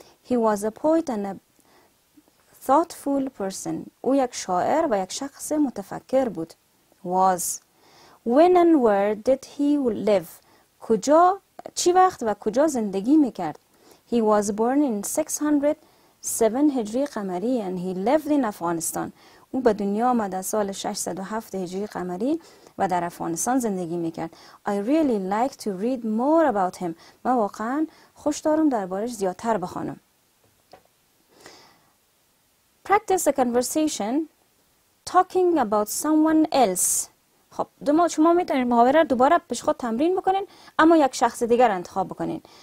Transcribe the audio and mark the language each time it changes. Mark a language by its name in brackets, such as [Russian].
[English] He was a poet and a thoughtful person. [Persian] او یک شاعر و یک شخص متفکر بود. [English] Was. When and where did he live? [Persian] کجا، چی وقت و کجا زندگی میکرد؟ [English] He was born in 607 [Persian] هجری قمری [English] and he lived in Afghanistan. [Persian] او به دنیا آمد در سال 607 هجری قمری و در افغانستان زندگی میکرد. [English] I really like to read more about him. [Persian] من واقعا خوش دارم دربارش زیادتر بخوانم. [English] Practice a conversation talking about someone else. [Persian] خب شما میتونید محاوره رو دوباره پیش خود تمرین بکنین، اما یک شخص دیگر انتخاب بکنین.